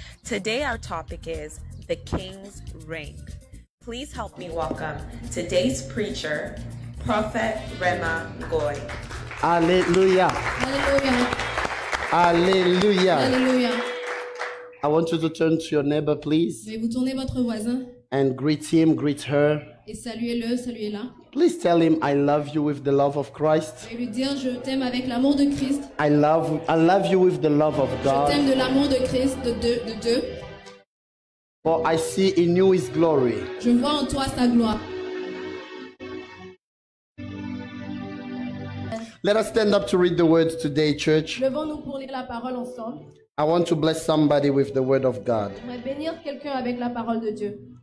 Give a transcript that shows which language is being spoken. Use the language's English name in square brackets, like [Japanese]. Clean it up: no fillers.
[English] Today, our topic is the King's Ring. Please help me welcome today's preacher, Prophet Rema Goy. Alleluia. Alleluia. Alleluia. Alleluia. I want you to turn to your neighbor, please. [French] Vous tournez votre voisin. [English] And greet him, greet her. [French] Et saluez-le, saluez-la. [English] Please tell him I love you with the love of Christ. [French] Et lui dire je t'aime avec l'amour de Christ. [English] I love you with the love of God. [French] Je t'aime de l'amour de Christ, de Dieu. [English] For I see in you his glory. [French] Je vois en toi sa gloire. [English] Let us stand up to read the word today, church. [French] Levons-nous pour lire la parole ensemble. [English] I want to bless somebody with the word of God. [French] J'aimerais bénir quelqu'un avec la parole de Dieu.